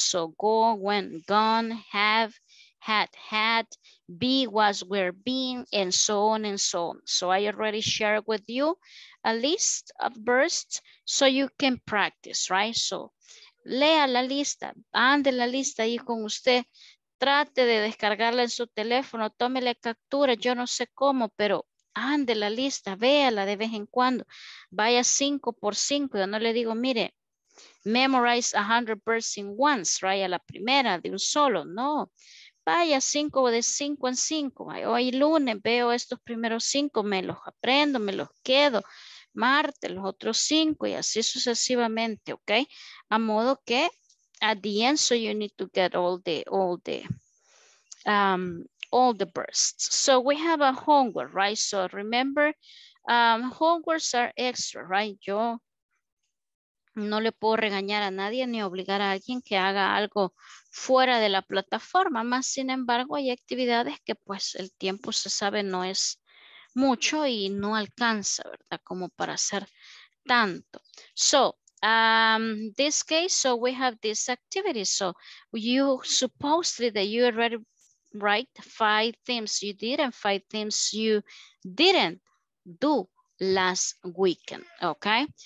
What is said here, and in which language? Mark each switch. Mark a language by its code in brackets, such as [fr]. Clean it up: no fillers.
[en] So, go, went, gone, have, had, had, be, was, were, been, and so on and so on. So I already shared with you a list of verbs so you can practice, right? [es] So, lea la lista, ande la lista ahí con usted, trate de descargarla en su teléfono, tómele captura, yo no sé cómo, pero ande la lista, véala de vez en cuando, vaya 5 por 5, yo no le digo, mire, [en] memorize 100 verbs in once, right? [es] A la primera, de un solo, no. Vaya 5 de 5 en 5. Hoy lunes veo estos primeros 5, me los aprendo, me los quedo. Martes los otros 5 y así sucesivamente, ¿ok? A modo que [en] at the end, so you need to get all the bursts. So we have a homework, right? So remember, homeworks are extra, right? [es] Yo no le puedo regañar a nadie ni obligar a alguien que haga algo fuera de la plataforma, más sin embargo hay actividades que pues el tiempo se sabe no es mucho y no alcanza, ¿verdad? Como para hacer tanto. [en] So, this case, so we have this activity. So, you supposedly that you already write 5 things you did and 5 things you didn't do last weekend, okay?